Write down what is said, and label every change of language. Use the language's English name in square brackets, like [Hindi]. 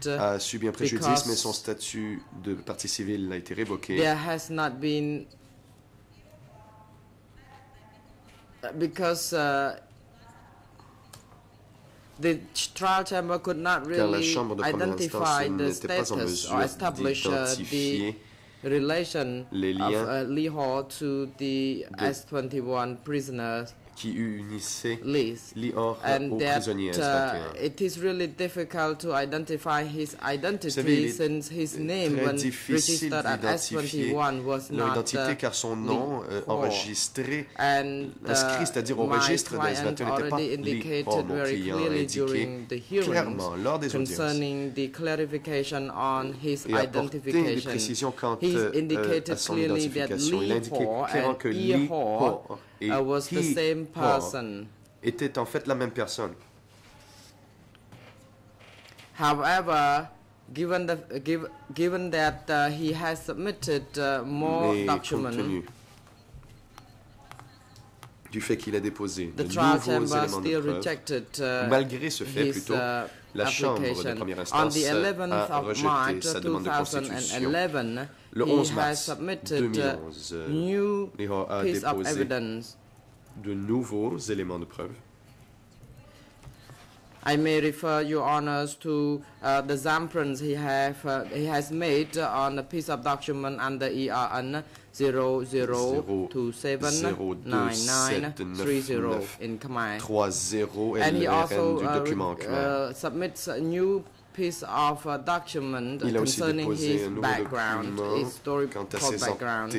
[French] a subi un préjudice, mais son statut de parti civil a été révoqué. [English] There has not been because the trial chamber could not really identify the status or establish the relation of Lee Hall to the S21 prisoners. [French] Qui unissait Lee Hall aux prisonniers. [English] It is really difficult to identify his identity savez, since his name when registered at S21 was not [French] identité car son nom enregistré inscrit c'est-à-dire au registre de S21 n'était pas Lee Hall. [English] Very clearly during the hearings concerning the clarification on his identification. [French] Et apporté des précisions quant [English] he indicated clearly that Lee Hall [French] clairement que [English] Lee Hall was the same person. [French] Était en fait la même personne. [English] However, given that he has submitted more documents, [French] du fait qu'il a déposé de nouveaux éléments de preuve, malgré ce fait plutôt, la Chambre de première instance a rejeté sa demande de constitution. Le 11 mars 2011, il a déposé de nouveaux éléments de preuve. [English] I may refer your honors to the examples he has made on a piece of document under ERN 00279930 in Khmer. And he also submits a new piece of document concerning his background, historical background,